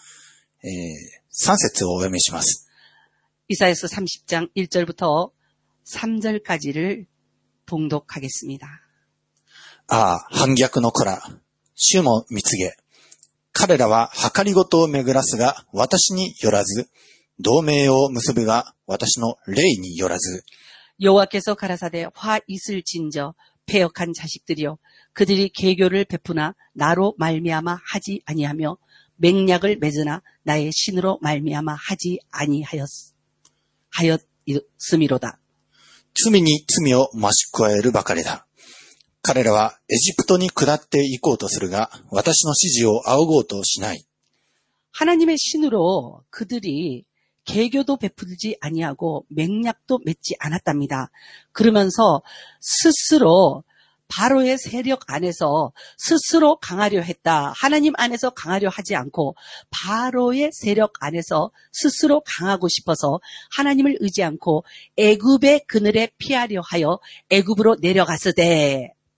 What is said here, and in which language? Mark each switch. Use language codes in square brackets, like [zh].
[ja] 30章の1節から3節をお読みします。 [ko] 이사야서 30장 1절부터 3절까지를 봉독하겠습니다. 아, 반역의 [ja] 子ら 主も見つけ、彼らは計り事を巡らすが、私によらず、同盟を結ぶが、私の霊によらず。 [ko] 여호와께서 가라사대 화 있을 진저 패역한 자식들이여 그들이 계교를 베푸나 나로 말미암아 하지 아니하며 맹약을 맺으나 나의 신으로 말미암아 하지 아니하였음이로다. [ja] 罪に 罪を 増し加えるばかりだ。彼らは エジプトに 下って行こうとするが 私の 指示を 仰ごうとしない。 [ko] 하나님의 신으로 그들이 계교도 베푸지 아니하고 맹약도 맺지 않았답니다. 그러면서 스스로 바로의 세력 안에서 스스로 강하려 했다. 하나님 안에서 강하려 하지 않고 바로의 세력 안에서 스스로 강하고 싶어서 하나님을 의지 않고 애굽의 그늘에 피하려 하여 애굽으로 내려갔으되